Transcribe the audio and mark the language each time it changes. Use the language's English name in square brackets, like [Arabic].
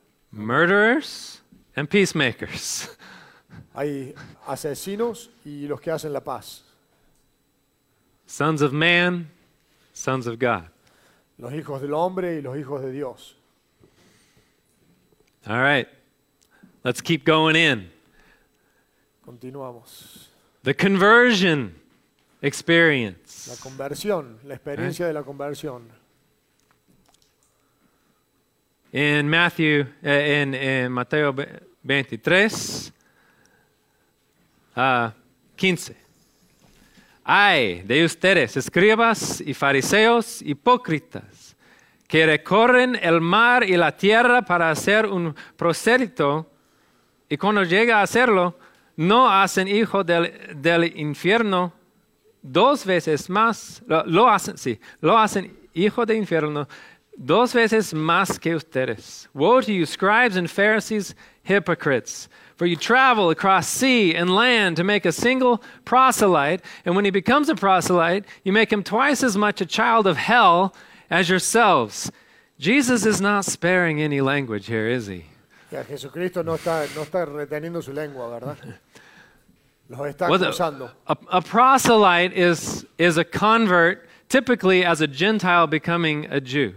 [English] Murderers and peacemakers. [Spanish] Hay asesinos y los que hacen la paz. [English] Sons of man, sons of God. [Spanish] Los hijos del hombre y los hijos de Dios. [English] All right, let's keep going in. [Spanish] Continuamos. [English] The conversion experience. [Spanish] La conversión, la experiencia de la conversión. [English] In Matthew, in Mateo 23, 15. [Spanish] Ay de ustedes, escribas y fariseos hipócritas, que recorren el mar y la tierra para hacer un prosélito, y cuando llega a hacerlo, no hacen hijo del infierno dos veces más, lo hacen hijo de infierno dos veces más que ustedes. [English] Woe to you, scribes and Pharisees, hypocrites! For you travel across sea and land to make a single proselyte, and when he becomes a proselyte, you make him twice as much a child of hell as yourselves. Jesus is not sparing any language here, is he? [Spanish] Yeah, Jesucristo no está reteniendo su lengua, ¿verdad? Los está acusando. [English] A proselyte is a convert, typically as a Gentile becoming a Jew.